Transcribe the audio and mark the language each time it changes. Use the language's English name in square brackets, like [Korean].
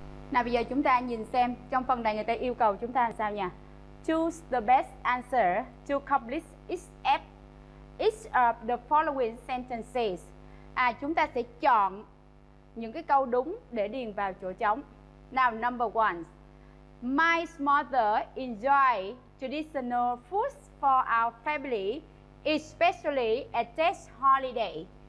[Vietnamese] Nào bây giờ chúng ta nhìn xem trong phần này người ta yêu cầu chúng ta làm sao nhỉ? [English] Choose the best answer to complete each of the following sentences. [Vietnamese] À, chúng ta sẽ chọn những cái câu đúng để điền vào chỗ trống. [English] Now, number one. My mother enjoys traditional foods for our family, especially at this holiday.